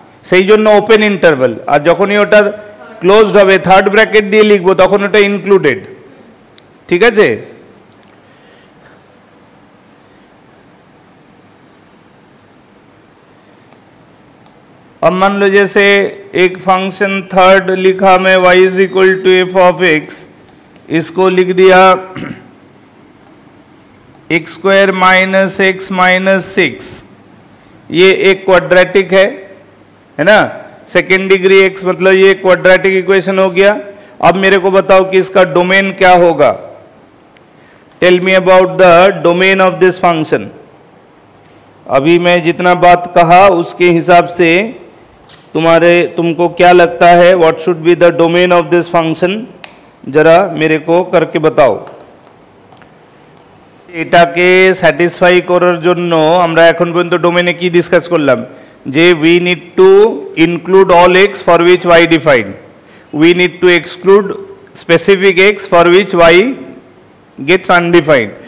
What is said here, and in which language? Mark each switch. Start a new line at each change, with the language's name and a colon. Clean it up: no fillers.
Bangla: সেই জন্য open interval, আর যখনই ওটা ক্লোজড হবে থার্ড ব্র্যাকেট দিয়ে লিখবো তখন ওটা ইনক্লুডেড। ঠিক আছে,
Hindi: আর মান লো জেসে এক ফাংশন থার্ড লিখা মে y is equal to f of x, इसको लिख दिया x square minus x minus 6, ये एक क्वाड्रेटिक है ना, सेकेंड डिग्री x, मतलब ये क्वाड्रेटिक इक्वेशन हो गया। अब मेरे को बताओ कि इसका डोमेन क्या होगा,
English: Tell me about the domain of this function.
Hindi: अभी मैं जितना बात कहा उसके हिसाब से तुमको क्या लगता है,
English: what should be the domain of this function,
Hindi: जरा मेरे को करके बताओ।
Bangla: এটাকে স্যাটিসফাই করার জন্য আমরা এখন পর্যন্ত ডোমেনে কি ডিসকাস করলাম, যে
English: We need to include all X for which Y defined, we need to exclude specific X for which Y gets undefined.